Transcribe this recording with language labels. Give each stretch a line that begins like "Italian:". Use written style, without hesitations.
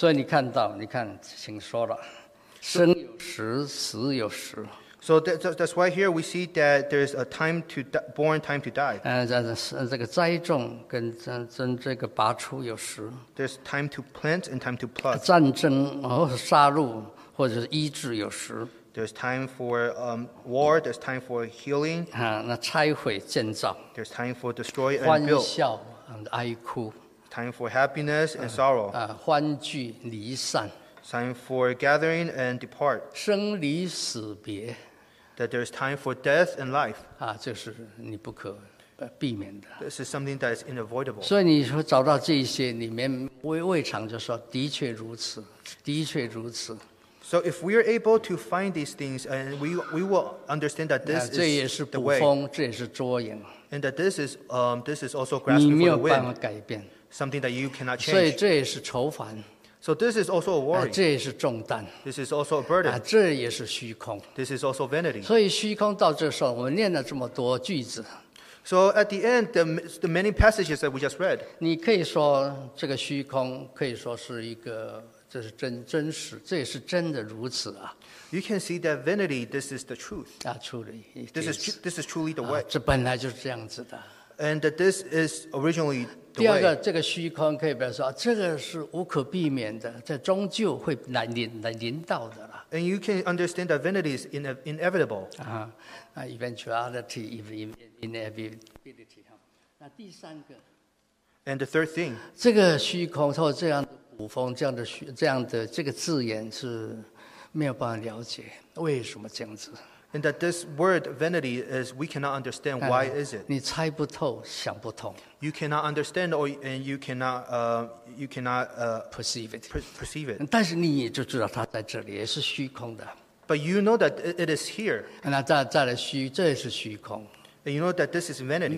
Chinese: 所以你看到，你看，请说了，生有时，死有时。
English: So that's why here we see that there's a time to born, time to die.
Chinese: 这个栽种跟这个拔出有时。
English: There's time to plant and time to pluck.
Chinese: 战争杀戮或者是医治有时。
English: There's time for war. There's time for healing.
Chinese: 那拆毁建造。
English: There's time for destroy and build.
Chinese: 欢笑 and 哀哭。
English: Time for happiness and sorrow.
Chinese: 欢聚离散。
English: Time for gathering and depart.
Chinese: 生离死别。
English: That there is time for death and life.
Chinese: 这是你不可避免的。
English: This is something that is unavoidable.
Chinese: 所以你说找到这些里面未尝就说的确如此，的确如此。
English: So if we are able to find these things, and we will understand that this is the way.
Chinese: 这也是捕风，这也是捉影。
English: And that this is also grasping for the wind.
Chinese: 你没有办法改变。
English: Something that you cannot change.
Chinese: 所以这也是愁烦。
English: So this is also a worry.
Chinese: 这也是重担。
English: This is also a burden.
Chinese: 这也是虚空。
English: This is also vanity.
Chinese: 所以虚空到这时候，我们念了这么多句子。
English: So at the end, the many passages that we just read.
Chinese: 你可以说这个虚空可以说是一个，这是真实，这也是真的如此啊。
English: You can see that vanity. This is the truth. Truly. This is truly the way.
Chinese: 这本来就是这样子的。
English: And this is originally.
Chinese: 第二个，这个虚空可以表示说，这个是无可避免的，这终究会来临到的了。
English: And you can understand that vanity is inevitable. Eventuality, inevitability.
Chinese: 那第三个。
English: And the third thing.
Chinese: 这个虚空或这样的古风，这样的这个字眼是没有办法了解，为什么这样子？
English: And that this word vanity is we cannot understand why is it?
Chinese: 你猜不透，想不通。
English: You cannot understand, or and you cannot perceive it. Perceive it.
Chinese: 但是你也就知道它在这里，也是虚空的。
English: But you know that it is here.
Chinese: 那再来虚，这也是虚空。
English: And you know that this is vanity.